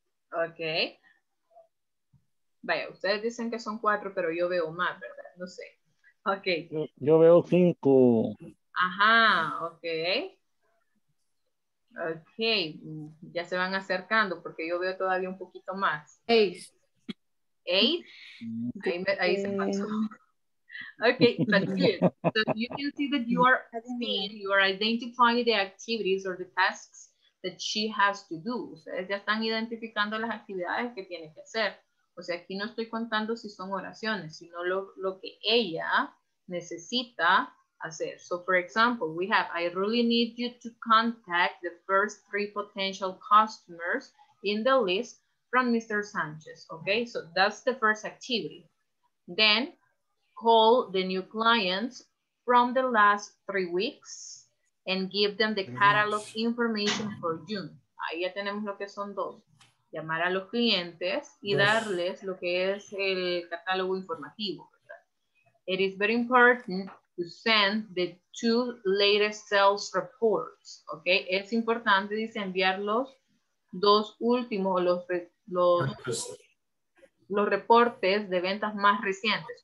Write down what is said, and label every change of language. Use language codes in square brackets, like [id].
[es] Okay. Vaya, ustedes dicen que son cuatro, pero yo veo más, ¿verdad? No sé. Okay. Yo veo cinco. Ajá, okay. Okay, ya se van acercando porque yo veo todavía un poquito más. [en] Eight. [es] Ahí se pasó. [en] Okay, but here, so you can see that you are seeing, you are identifying the activities or the tasks that she has to do. [es] Ustedes ya están identificando las actividades que tiene que hacer. O sea, aquí no estoy contando si son oraciones, sino lo que ella necesita hacer. [en] So, for example, we have, I really need you to contact the first three potential customers in the list from Mr. Sanchez. Okay, so that's the first activity. Then, call the new clients from the last 3 weeks and give them the catalog information for June. [es] Ahí ya tenemos lo que son dos. Llamar a los clientes y darles lo que es el catálogo informativo, ¿verdad? [en] It is very important to send the two latest sales reports, okay? [es] Es importante, dice, enviar los dos últimos, los reportes de ventas más recientes.